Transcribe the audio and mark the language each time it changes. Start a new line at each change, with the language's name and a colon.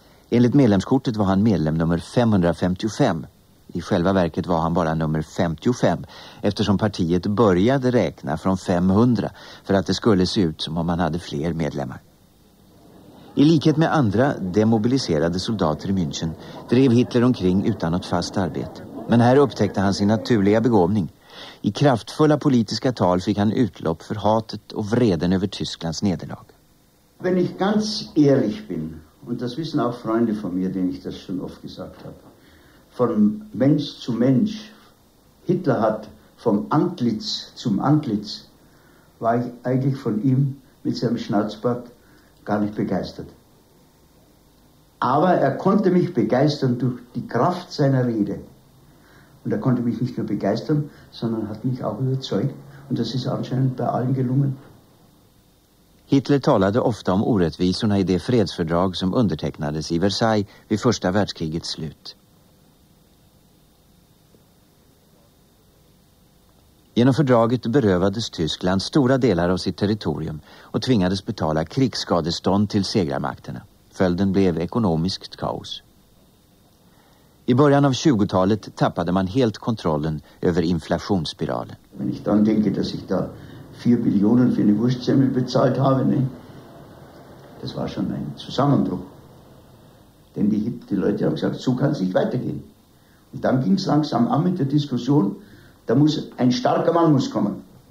Swedish: Enligt medlemskortet var han medlem nummer 555. I själva verket var han bara nummer 55 eftersom partiet började räkna från 500 för att det skulle se ut som om man hade fler medlemmar. I likhet med andra demobiliserade soldater i München drev Hitler omkring utan något fast arbete. Men här upptäckte han sin naturliga begåvning. I kraftfulla politiska tal fick han utlopp för hatet och vreden över Tysklands nederlag.
German: Wenn ich ganz ehrlich bin, und das wissen auch Freunde von mir, denen ich das schon oft gesagt habe, von Mensch zu Mensch, Hitler hat vom Antlitz zum Antlitz, war ich eigentlich von ihm mit seinem Schnauzbart gar nicht begeistert. Aber er konnte mich begeistern durch die Kraft seiner Rede. Und er konnte mich nicht nur begeistern, sondern hat mich auch überzeugt. Und das ist anscheinend bei allen gelungen.
Swedish: Hitler talade ofta om orättvisorna i det fredsfördrag som undertecknades i Versailles vid första världskrigets slut. Genom fördraget berövades Tyskland stora delar av sitt territorium och tvingades betala krigsskadestånd till segrarmakterna. Följden blev ekonomiskt kaos. I början av 20-talet tappade man helt kontrollen över inflationsspiralen.
German: Wenn ich dann denke, dass ich da 4 Billionen für eine Wurstsemmel bezahlt habe, ne? Das war schon ein Zusammenbruch. Denn die Leute haben gesagt, so kann es nicht weitergehen. Und dann ging es langsam an mit der Diskussion. Da muss ein starker Mann muss kommen.